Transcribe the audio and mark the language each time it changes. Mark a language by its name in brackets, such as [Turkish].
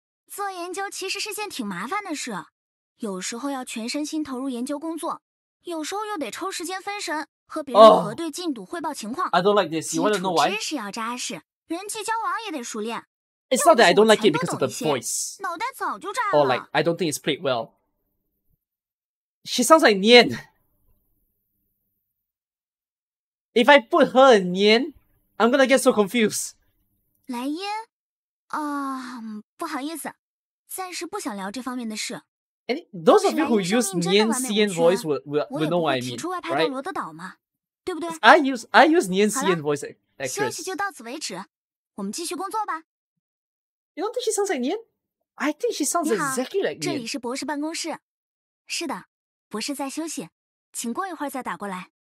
[Chinese] 做研究其实是件挺麻烦的事，有时候要全身心投入研究工作，有时候又得抽时间分神和别人核对进度、汇报情况。 [English] I don't like this. You want to know why? [Chinese] 基础知识要扎实，人际交往也得熟练。 [English] It's not that I don't like it because of the voice. [Chinese] 脑袋早就炸了。 [English] Or like I don't think it's played well. She sounds like Nian. If I put her in Nian, I'm gonna get so confused. [Chinese] 莱茵，啊、不好意思，暂时不想聊这方面的事。 [English] Those of you who use Nian CN voice will know what I mean, right? [Chinese] 我也不会提出外派到罗德岛嘛，对不对 [English] ？I use Nian CN voice actress. [Chinese] 休息就到此为止，我们继续工作吧。 [English] You don't think she sounds like Nian? I think she sounds exactly like Nian. [Chinese] 这里是博士办公室。是的，博士在休息，请过一会儿再打过来。